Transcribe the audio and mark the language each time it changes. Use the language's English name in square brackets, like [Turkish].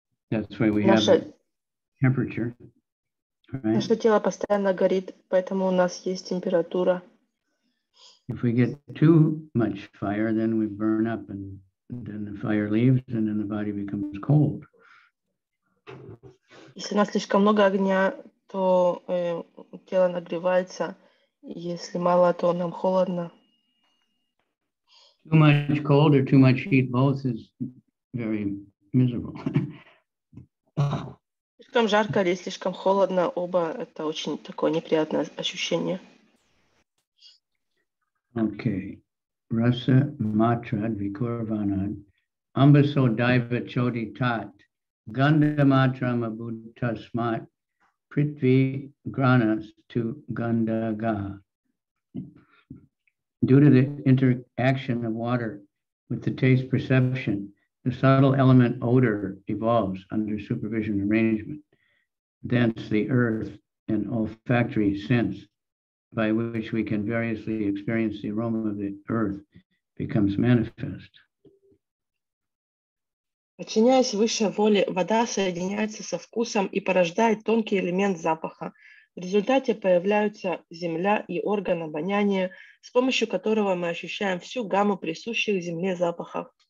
[English] That's why we have temperature. Right? [Russian] Наше тело постоянно горит, поэтому у нас есть температура. [English] If we get too much fire, then we burn up, and then the fire leaves, and then the body becomes cold. [Russian] Если у нас слишком много огня, то тело нагревается. Если мало, то нам холодно. [English] Too much cold or too much heat, both is very miserable. [Russian] Слишком жарко или слишком холодно, оба это очень такое неприятное ощущение. [Sanskrit] Okay. Rasa matra vikurvana ambaso daiva chodi tat ganda matra mabuddha smat prithvi granas tu ganda ga. [English] Due to the interaction of water with the taste perception, the subtle element odor evolves under supervision arrangement. Thence the earth and olfactory sense by which we can variously experience the aroma of the earth becomes manifest. [Russian] Подчиняясь высшей воле, вода соединяется со вкусом и порождает тонкий элемент запаха. В результате появляются земля и орган обоняния, с помощью которого мы ощущаем всю гамму присущих земле запахов.